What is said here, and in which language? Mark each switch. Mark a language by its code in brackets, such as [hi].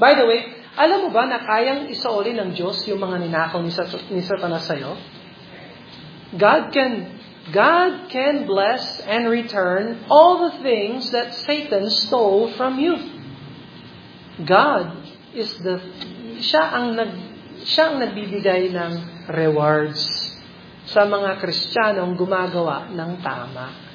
[tl] By the way, alam mo ba na kayang isauli ng Diyos yung mga ninakaw ni Satanas sa'yo? [en] God can bless and return all the things that Satan stole from you. God is the... [tl] Siya ang nagbibigay ng rewards sa mga Kristiyanong gumagawa ng tama.